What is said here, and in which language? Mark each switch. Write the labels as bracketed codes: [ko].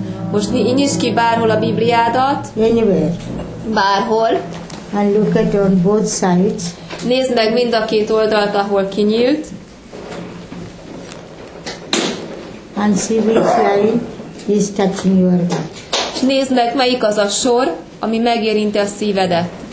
[hu] Most nyisd ki bárhol a Bibliádat. [en] Anywhere. [hu] Bárhol. [en] And look at on both sides. [hu] Nézd meg mind a két oldalt, ahol kinyílt. [en] And see which line is touching your heart. [hu] És nézd meg, melyik az a sor, ami megérinti a szívedet.